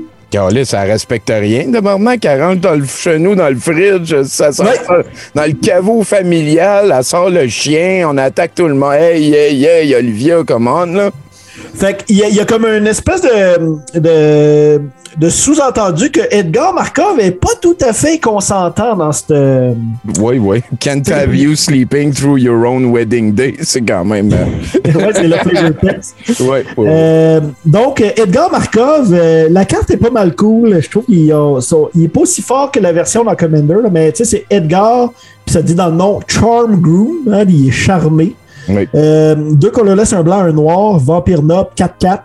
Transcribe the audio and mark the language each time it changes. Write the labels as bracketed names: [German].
[French] Carlis, ça respecte rien de maintenant qu'elle rentre dans le chenou, dans le fridge, ça sort dans le caveau familial, elle sort le chien, on attaque tout le monde. [English] Hey, Olivia, come on, [French] là. Fait qu'il y a comme une espèce de sous-entendu que Edgar Markov est pas tout à fait consentant dans cette... Oui. [English] Can't have you sleeping through your own wedding day. [French] C'est quand même... Oui, c'est le plus beau test. Oui. Donc, Edgar Markov, la carte est pas mal cool. Je trouve qu'il est pas aussi fort que la version dans Commander, là, mais tu sais, c'est Edgar, puis ça dit dans le nom Charm Groom, hein, il est charmé. Oui. Deux colorless, un blanc, un noir, vampire noble, 4-4.